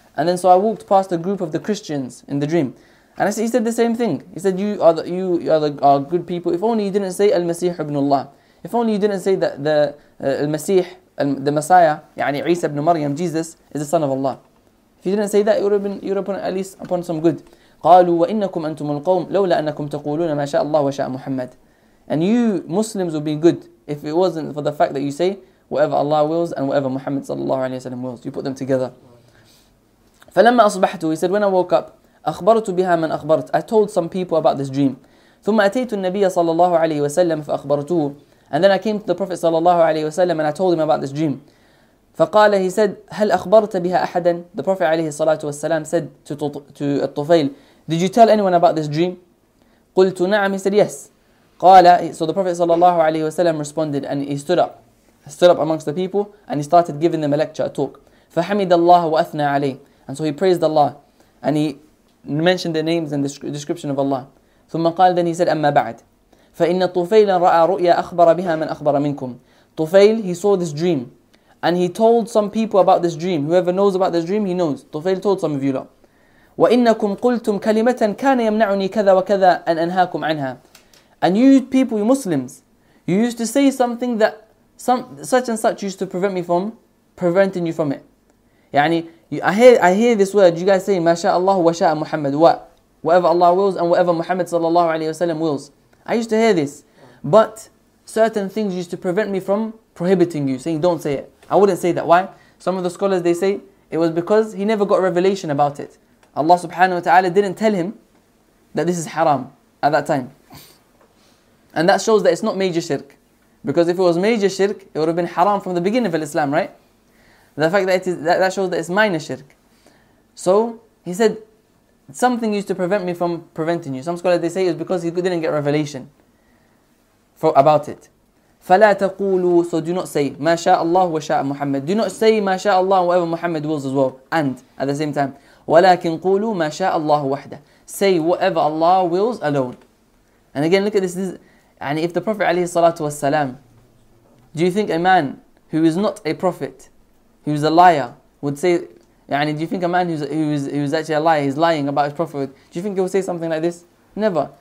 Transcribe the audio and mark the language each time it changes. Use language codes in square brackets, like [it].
[en] And then so I walked past a group of the Christians in the dream. And I said, he said the same thing. He said, you are good people. If only you didn't say Al-Masih ibn Allah. If only you didn't say that the Al-Masih, the Messiah, [ar] يعني عيسى ابن مريم, [en] Jesus, is the son of Allah. If you didn't say that, you would have been at least upon some good. [ar] قالوا وإنكم أنتم القوم لولا أنكم تقولون ما شاء الله وشاء محمد. [en] And you Muslims would be good if it wasn't for the fact that you say whatever Allah wills and whatever Muhammad sallallahu alayhi wa sallam wills. You put them together. [ar] فلما أصبحت, [en] he said, when I woke up, [ar] أخبرت بها من أخبرت. [en] I told some people about this dream. [ar] ثم أتيت النبي صلى الله عليه وسلم فأخبرته. [en] And then I came to the Prophet صلى الله عليه وسلم and I told him about this dream. [ar] فقال, [en] he said, [ar] هل أخبرت بها أحدا؟ [en] The Prophet عليه الصلاة والسلام said to الطفيل, did you tell anyone about this dream? [ar] قلت نعم, [en] he said yes. قال, so the Prophet صلى الله عليه وسلم responded and he stood up amongst the people and he started giving them a lecture, a talk. [ar] فحمد الله وأثنى عليه. [en] And so he praised Allah and he mentioned the names and the description of Allah. [ar] ثم قال, [en] then he said, [ar] أما بعد, فإن طفيلا رأى رؤيا أخبر بها من أخبر منكم. [en] طفيل, he saw this dream and he told some people about this dream. Whoever knows about this dream, he knows. طفيل told some of you lot. [ar] وإنكم قلتم كلمة كان يمنعني كذا وكذا أن أنهاكم عنها. [en] And you people, you Muslims, you used to say something that such and such used to prevent me from preventing you from it. يعني I hear this word, you guys say, MashaAllah wa sha'a Muhammad, what? Whatever Allah wills and whatever Muhammad sallallahu alayhi wa sallam wills. I used to hear this, but certain things used to prevent me from prohibiting you, saying don't say it. I wouldn't say that. Why? Some of the scholars, they say it was because he never got revelation about it. Allah subhanahu wa ta'ala didn't tell him that this is haram at that time. And that shows that it's not major shirk. Because if it was major shirk, it would have been haram from the beginning of Islam, right? The fact that it is, that shows that it's minor shirk. So he said, something used to prevent me from preventing you. Some scholars, they say it was because he didn't get revelation for about it. [ar] فَلَا تَقُولُوا, [en] so do not say, [ar] مَا شَاءَ اللَّهُ وَشَاءَ مُحَمَّدُ. [en] Do not say, [ar] مَا شَاءَ اللَّهُ [en] whatever Muhammad wills as well. And at the same time, [ar] وَلَكِنْ قُولُوا مَا شَاءَ اللَّهُ وَحْدَهُ. [en] Say whatever Allah wills alone. And again, look at this. And if the Prophet عليه الصلاة والسلام, do you think a man who is not a prophet, he was a liar, would say, يعني, do you think a man who's actually a liar, he's lying about his prophet, do you think he would say something like this? Never.